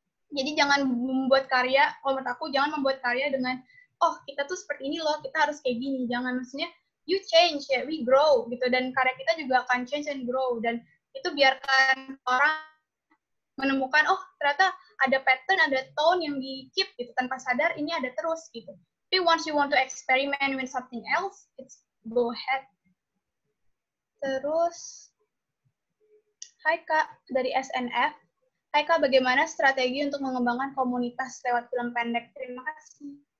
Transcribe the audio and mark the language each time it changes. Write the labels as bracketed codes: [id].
[id] Jadi jangan membuat karya, kalau menurut aku jangan membuat karya dengan, oh kita tuh seperti ini loh, kita harus kayak gini. Jangan, maksudnya [en] you change, [id] ya, [en] we grow [id] gitu, dan karya kita juga akan [en] change and grow, [id] dan itu biarkan orang menemukan, oh ternyata ada pattern, ada tone yang di keep gitu, tanpa sadar ini ada terus gitu. Tapi [en] once you want to experiment with something else, it's go ahead. [id] Terus, hai kak dari SNF, hai kak, bagaimana strategi untuk mengembangkan komunitas lewat film pendek? Terima kasih.